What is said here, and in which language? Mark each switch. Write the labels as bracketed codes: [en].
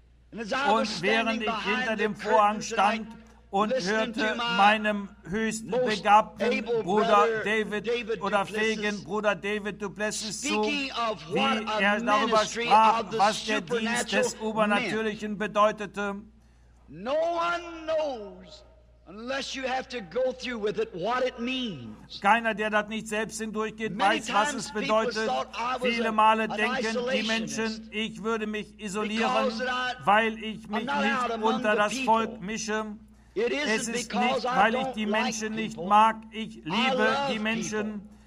[de] Und während ich hinter dem Vorhang stand und hörte meinem höchst begabten Bruder David oder fähigen Bruder David Duplessis zu, wie er darüber sprach, was der Dienst des Übernatürlichen bedeutete. [en] No one knows. Unless you have to go through with it, what it means. [de] Keiner, der das nicht selbst hindurchgeht, weiß, was es bedeutet. Viele Male denken die Menschen, ich würde mich isolieren, weil ich mich nicht unter das Volk mische. Es ist nicht, weil ich die Menschen nicht mag. Ich liebe die Menschen.